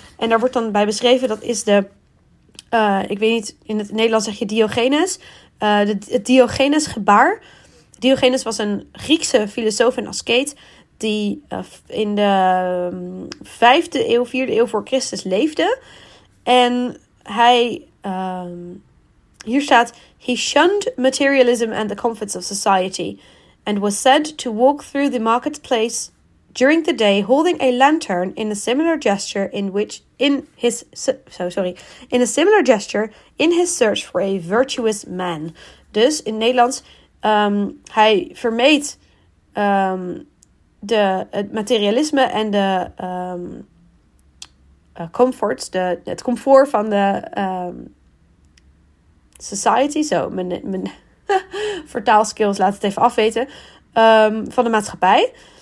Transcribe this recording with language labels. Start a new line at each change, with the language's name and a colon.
Dutch: En daar wordt dan bij beschreven, dat is de, ik weet niet, in het Nederlands zeg je Diogenes. Het Diogenes gebaar. Diogenes was een Griekse filosoof en asceet die in de 5e eeuw, 4e eeuw voor Christus leefde. En hij, hier staat,
English: he shunned materialism and the comforts of society and was said to walk through the marketplace during the day holding a lantern in a similar gesture in his search for a virtuous man.
Dutch: Dus in Nederlands, hij vermeed het materialisme en de comfort, het comfort van de society. Zo, mijn vertaalskills laat het even afweten. Van de maatschappij.